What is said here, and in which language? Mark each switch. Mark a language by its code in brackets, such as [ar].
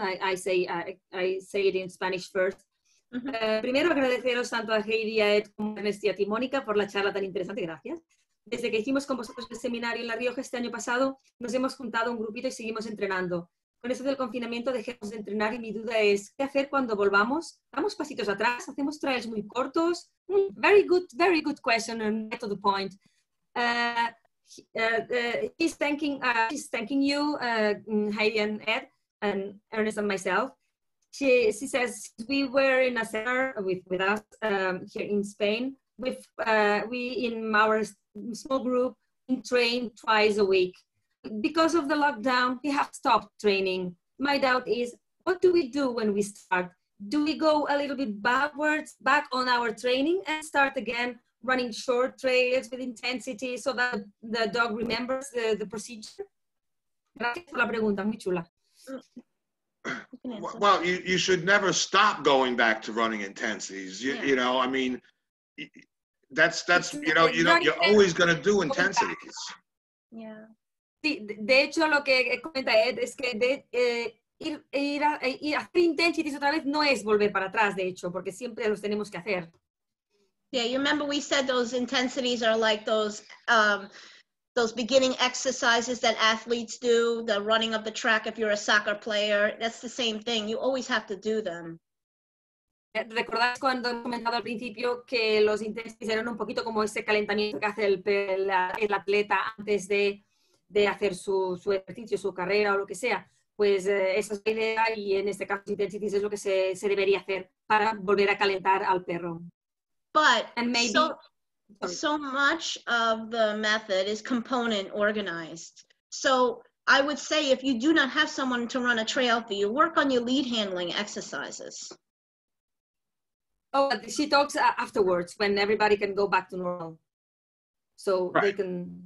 [en] I say it in Spanish first. [es] Primero agradeceros tanto a Heidi, a Ed, como a Ernest y a ti, Mónica, por la charla tan interesante. Gracias. Desde que hicimos con vosotros el seminario en La Rioja este año pasado, nos hemos juntado un grupito y seguimos entrenando. Con eso del confinamiento dejemos de entrenar y mi duda es, ¿qué hacer cuando volvamos? ¿Damos pasitos atrás? ¿Hacemos trails muy cortos? [en] Very good question and get to the point. She's thanking you, Heidi and Ed, and Ernest and myself. She says we were in a center with us here in Spain. We in our small group train twice a week. Because of the lockdown, we have stopped training. My doubt is, what do we do when we start? Do we go a little bit back on our training and start again? Running short trails with intensity so that the dog remembers the procedure? [es] Gracias por la pregunta, muy chula. [en] Well, you should never stop going back to running intensities. You know, I mean, that's you know, you're always going to do intensities. Yeah. [es] Sí, de hecho, lo que comenta Ed es que de, ir a hacer intensities otra vez no es volver para atrás, de hecho, porque siempre los tenemos que hacer. [en] Yeah, you remember we said those intensities are like those beginning exercises that athletes do, the running of the track if you're a soccer player. That's the same thing. You always have to do them. [es] ¿Recordás cuando he comentado al principio que los intensities eran un poquito como ese calentamiento que hace el atleta antes de hacer su ejercicio, su carrera o lo que sea? Pues esa es la idea y en este caso intensities es lo que se debería hacer para volver a calentar al perro. [en] But so much of the method is component organized. So I would say if you do not have someone to run a trail for you, work on your lead handling exercises. Oh, she talks afterwards when everybody can go back to normal. So right. They can...